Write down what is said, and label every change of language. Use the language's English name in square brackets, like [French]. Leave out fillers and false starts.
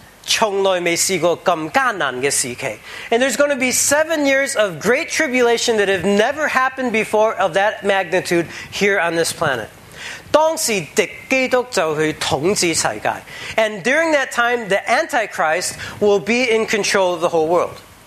[Chinese] 从来没试过这么艰难的时期。 [English] And there's going to be 7 years of great tribulation that have never happened before of that magnitude here on this planet. [Chinese] 当时敌基督就去统治世界。 [English] And during that time, the Antichrist will be in control of the whole world.